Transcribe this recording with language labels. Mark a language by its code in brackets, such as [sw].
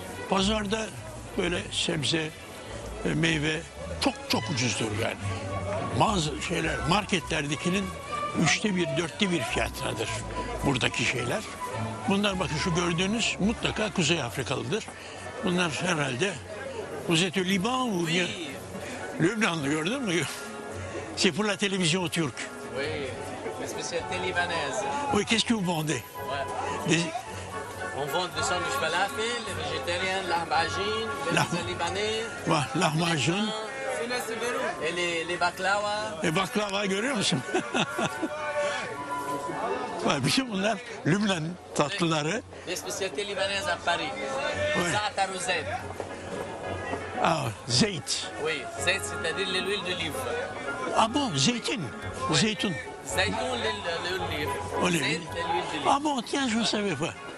[tr] Pazarda böyle sebze, meyve çok çok ucuzdur yani. Bazı şeyler marketlerdekinin 1/3, 1/4 fiyatındadır buradaki şeyler. Bunlar, bakın şu gördüğünüz, mutlaka Kuzey Afrikalıdır. Bunlar herhalde [fr] Vous êtes au Liban ou oui. [tr] Lübnanlı gördün mü? [fr] C'est pour la télévision turque. Oui, la spécialité libanaise. Oui, qu'est-ce que vous vendez? Ouais. On vend des sandwichs falafel, les végétariens, l'ahmacun, les libanais. Ouais, l'ahmacun. Et les baklava. Et [tr] baklava görüyor musun? Ouais, bütün bunlar Lübnan tatlıları. [fr] Les spécialités libanaises à Paris. Ouais. Zaatar ou zeyt. Ah, zeyt. Oui, zeyt, c'est-à-dire l'huile d'olive. Ah bon, zeytin. Oui. Zeytun. Zeytun, l'huile d'olive. Ah bon, tiens, je ne savais pas.